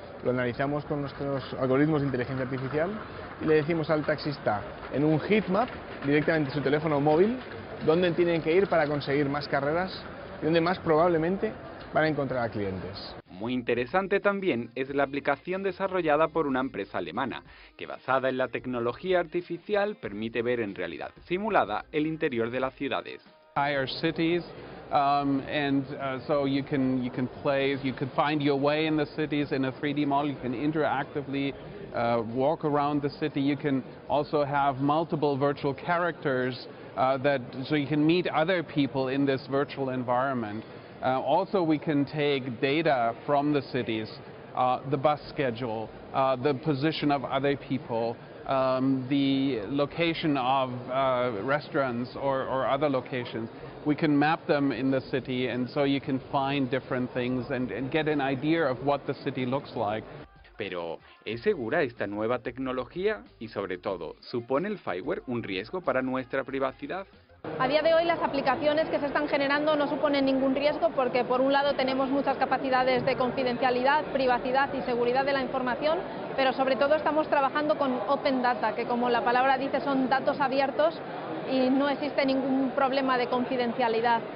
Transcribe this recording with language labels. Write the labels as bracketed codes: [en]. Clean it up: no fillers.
[es] lo analizamos con nuestros algoritmos de inteligencia artificial y le decimos al taxista en un heat map, directamente en su teléfono móvil, dónde tienen que ir para conseguir más carreras y dónde más probablemente van a encontrar a clientes. Muy interesante también es la aplicación desarrollada por una empresa alemana, que basada en la tecnología artificial permite ver en realidad simulada el interior de las ciudades. [en] Higher cities, so you can play, you can find your way in the cities in a 3D model, you can interactively walk around the city, you can also have multiple virtual characters so you can meet other people in this virtual environment. Also, we can take data from the cities, the bus schedule, the position of other people, the location of restaurants or other locations. We can map them in the city, and so you can find different things and get an idea of what the city looks like. [es] Pero, ¿es segura esta nueva tecnología? Y sobre todo, ¿supone el firewall un riesgo para nuestra privacidad? A día de hoy las aplicaciones que se están generando no suponen ningún riesgo porque por un lado tenemos muchas capacidades de confidencialidad, privacidad y seguridad de la información, pero sobre todo estamos trabajando con open data, que como la palabra dice son datos abiertos y no existe ningún problema de confidencialidad.